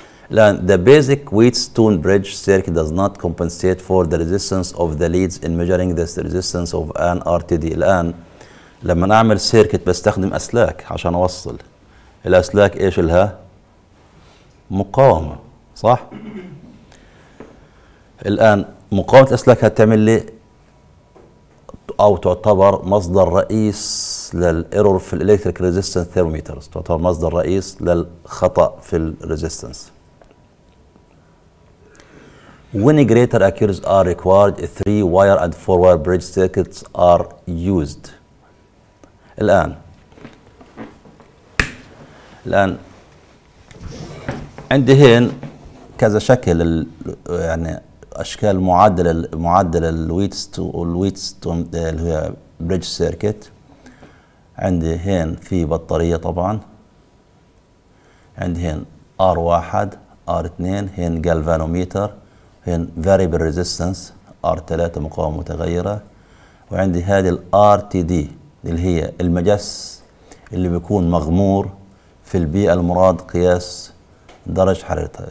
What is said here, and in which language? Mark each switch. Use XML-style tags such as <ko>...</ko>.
<en>الآن the basic Wheatstone bridge circuit does not compensate for the resistance of the leads in measuring this resistance of an RTD.</en> <ar>الآن لما نعمل سيركت بستخدم أسلاك عشان أوصل. الأسلاك إيش لها؟ مقاومة صح؟ الآن مقاومة الأسلاك هتعمل لي أو تعتبر مصدر رئيس للإيرور في الإلكتريك ريزيستنس ثيرموميترز. تعتبر مصدر رئيس للخطأ في الريزيستنس.</ar> <en>When greater accuracy are required, three-wire and four-wire bridge circuits are used.</en> <ar>الآن عندي هين كذا شكل يعني أشكال معدل الويتستون اللي هي بريدج سيركت. عندي هين في بطارية طبعا, عندي هين R1 R2, هين جالفانوميتر, هين variable resistance R3 مقاومة متغيرة, وعندي هذه ال RTD اللي هي المجس اللي بيكون مغمور في البيئة المراد قياس درجة حرارتها.</ar>